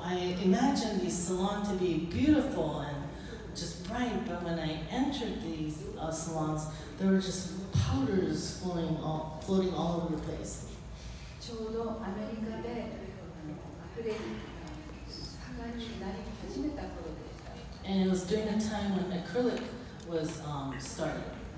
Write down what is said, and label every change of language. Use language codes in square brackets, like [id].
[en] I imagined the salon to be beautiful and just bright, but when I entered these salons, there were just powders floating all over the place. [ja] ちょうどアメリカでアクリル盛んになり始めた頃で。 [en] And it was during a time when acrylic was started.